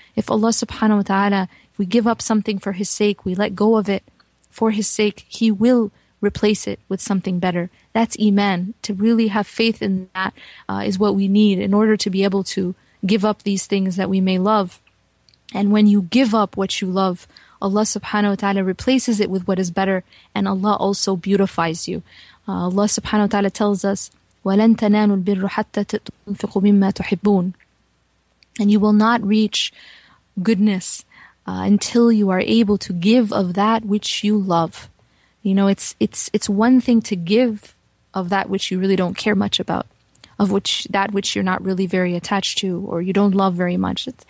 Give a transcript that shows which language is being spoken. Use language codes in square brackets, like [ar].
[en] If Allah subhanahu wa ta'ala, if we give up something for His sake, we let go of it for His sake, He will replace it with something better. That's iman. To really have faith in that is what we need in order to be able to give up these things that we may love. And when you give up what you love, Allah subhanahu wa ta'ala replaces it with what is better, and Allah also beautifies you. Allah subhanahu wa ta'ala tells us, [ar] وَلَن تَنَانُوا الْبِرُّ حَتَّى تُنْفِقُوا مِمَّا تُحِبُّونَ. [en] And you will not reach goodness until you are able to give of that which you love. You know, it's one thing to give of that which you really don't care much about, of that which you're not really very attached to, or you don't love very much.